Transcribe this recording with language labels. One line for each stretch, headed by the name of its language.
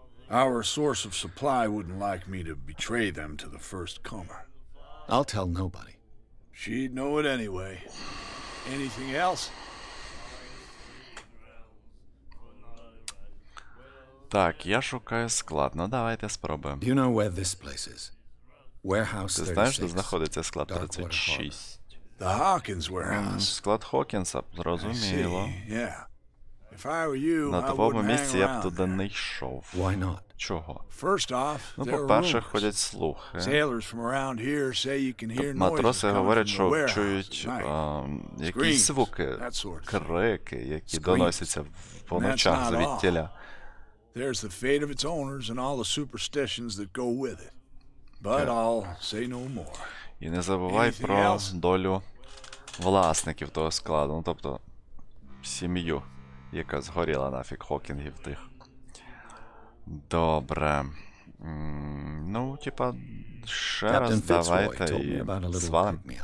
English: Our source of supply wouldn't like me to betray them to the first comer. I'll tell nobody. She'd know it anyway. Anything else?
Ukrainian: Так, я шукаю склад. Ну, давайте спробуємо.
English: You know where this place is? Warehouse 36.
Ukrainian: Ти знаєш, де знаходиться склад 36?
English: The Hawkins warehouse.
Ukrainian: Склад Хокінса, зрозуміло.
English: Yeah. If I were you,
Ukrainian: на твоєму місці я б туди не йшов.
English: Why not?
Ukrainian: чого?
English: First off,
Ukrainian: ну, по-перше, ходять слухи.
English: Sailors from around here say you can hear noises.
Ukrainian: Матроси говорять, що чують якісь звуки, крики, які доносяться по ночах звідтіля.
English: There's the fate of its owners and all the superstitions that go with it. But I'll say no more.
Ukrainian: І не забувай про долю власників того складу, ну, тобто сім'ю, яка згоріла нафік Хокінгів тих. Добре. Ну, типа, ще раз давайте і звалимо.